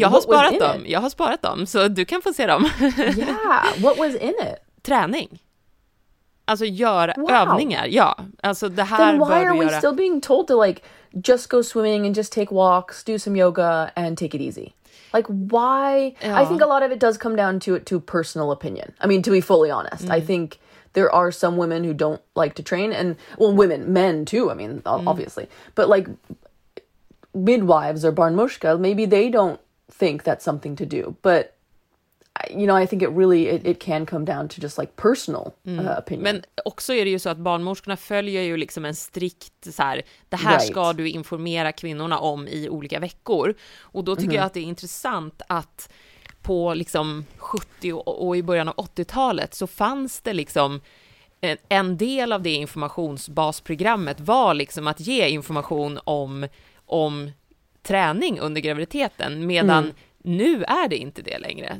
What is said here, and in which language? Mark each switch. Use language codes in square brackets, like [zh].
[sv] Jag har sparat dem, så du kan få se dem. [en] Yeah, what was in it? [sv] Träning. Alltså göra övningar, ja. Alltså det här bör vi göra. [en] Then why are we still being told to like just go swimming and just take walks, do some yoga and take it easy? Like why? Ja. I think a lot of it does come down to personal opinion. I mean, to be fully honest, I think there are some women who don't like to train, and well, women, men too, I mean, obviously, but like midwives or barnmorska, maybe they don't think that's something to do, but you know, I think it really can come down to just like personal opinion. [sv] Men också är det ju så att barnmorskorna följer ju liksom en strikt så här, det här ska du informera kvinnorna om i olika veckor, och då tycker jag att det är intressant att på liksom 70 och i början av 80-talet så fanns det liksom en del av det informationsbasprogrammet var liksom att ge information om träning under graviditeten, medan nu är det inte det längre.